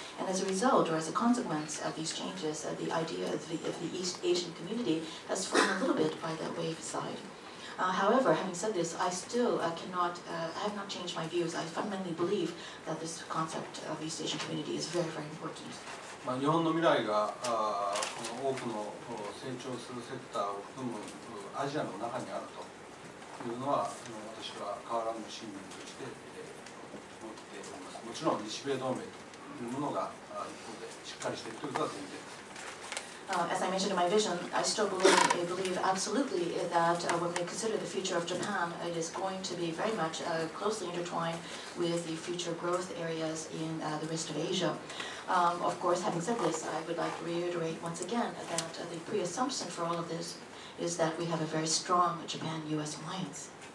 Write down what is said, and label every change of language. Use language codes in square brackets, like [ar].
[en] And as a result, or as a consequence of these changes, the idea of the East Asian community has fallen a little bit by the wayside. However, having said this, I still have not changed my views. I fundamentally believe that this concept of East Asian community is very, very important. [ja] まあ、日本の未来が、この多くの成長するセクターを含むアジアの中にあるというのは、私は変わらぬ信念として、持っております。もちろん日米同盟とというものが一方でしっかりしているということは前提です。 [en] As I mentioned in my vision, I still believe absolutely that when we consider the future of Japan, it is going to be very much closely intertwined with the future growth areas in the rest of Asia. Of course, having said this, I would like to reiterate once again that the pre-assumption for all of this is that we have a very strong Japan-US alliance.